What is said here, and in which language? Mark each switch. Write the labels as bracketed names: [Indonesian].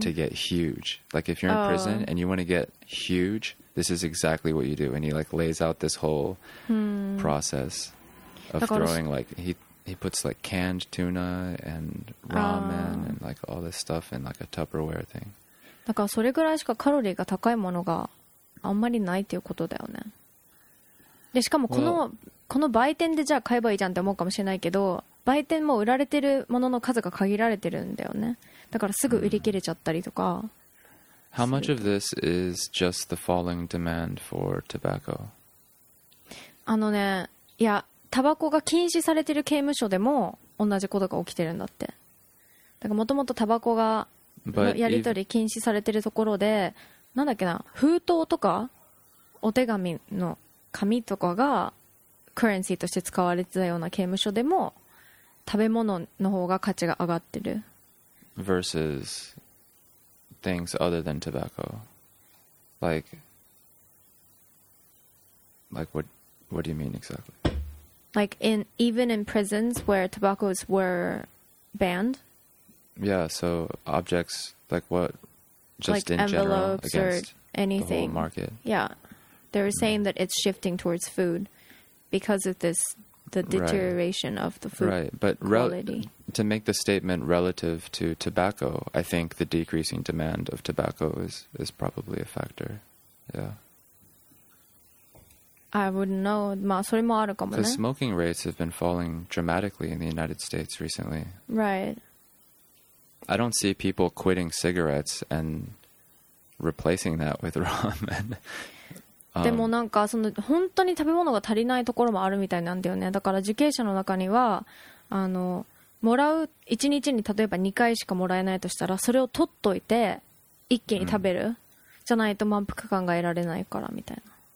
[English] to get huge. Like, if you're in prison and you want to get huge, this is exactly what you do. And he, like, lays out this whole process of throwing, like, he puts, like, canned tuna and ramen. like all this stuff in like a Tupperware thing. [Japanese] だからそれぐらいしかカロリーが高いものがあんまりないっていうことだよね。でしかもこの、well, この売店でじゃあ買えばいいじゃんって思うかもしれないけど、売店も売られてるものの数が限られてるんだよね。だからすぐ売り切れちゃったりとか。 [English] How much of this is just the falling demand for tobacco? [Japanese] あのね、いや、タバコが禁止されてる刑務所でも同じことが起きてるんだって。だからもともとタバコがのやり取り禁止されてるところで、なんだっけな、封筒とかお手紙の紙とかがクレンシーとして使われてたような刑務所でも食べ物の方が価値が上がってる。 [English] Versus things other than tobacco, like what do you mean exactly? Like in even in prisons where tobaccos were banned. Yeah. So objects like what, just like in envelopes general or anything. The whole market. Yeah, they were saying that it's shifting towards food because of this. The deterioration right. of the food right. But quality. To make the statement relative to tobacco, I think the decreasing demand of tobacco is probably a factor. Yeah. I wouldn't know. [Japanese] まあそれもあるかもね。 [English] Because smoking rates have been falling dramatically in the United States recently. Right. I don't see people quitting cigarettes and replacing that with ramen. [Japanese] でもなんかその本当に食べ物が足りないところもあるみたいなんだよね。だから受刑者の中にはあのもらう1日に例えば2回しかもらえないとしたらそれを取っといて一気に食べる、じゃないと満腹感が得られないからみたいな。